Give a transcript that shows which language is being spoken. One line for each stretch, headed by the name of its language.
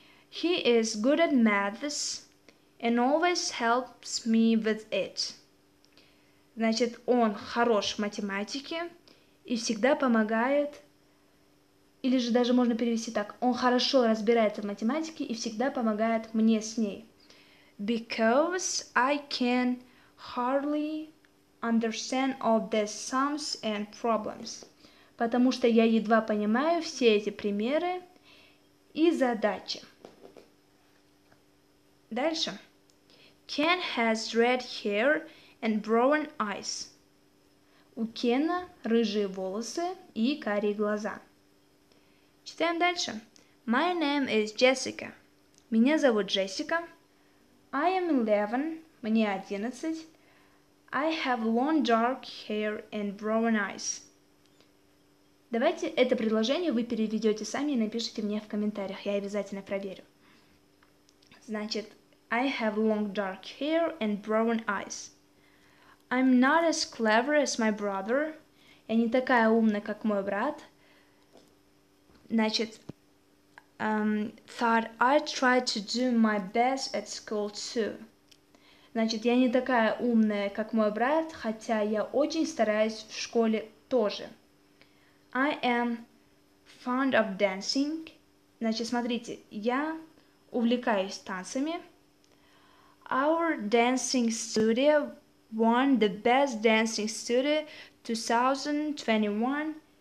English: He is good at maths and always helps me with it.
Russian: Значит, он хорош в математике и всегда помогает. Или же даже можно перевести так. Он хорошо разбирается в математике и всегда помогает мне с ней.
English: Because I can hardly understand all the sums and problems.
Russian: Потому что я едва понимаю все эти примеры и задачи. Дальше.
English: Ken has red hair and brown eyes.
Russian: У Кена рыжие волосы и карие глаза. Читаем дальше.
English: My name is Jessica.
Russian: Меня зовут Джессика.
English: I am 11.
Russian: Мне 11.
English: I have long dark hair and brown eyes.
Russian: Давайте это предложение вы переведете сами и напишите мне в комментариях. Я обязательно проверю. Значит,
English: I have long dark hair and brown eyes. I'm not as clever as my brother.
Russian: Я не такая умная, как мой брат. Значит,
English: thought I tried to do my best at school too.
Russian: Значит, я не такая умная, как мой брат, хотя я очень стараюсь в школе тоже.
English: I am fond of dancing.
Russian: Значит, смотрите, я увлекаюсь танцами.
English: Our dancing studio won the best dancing studio 2021.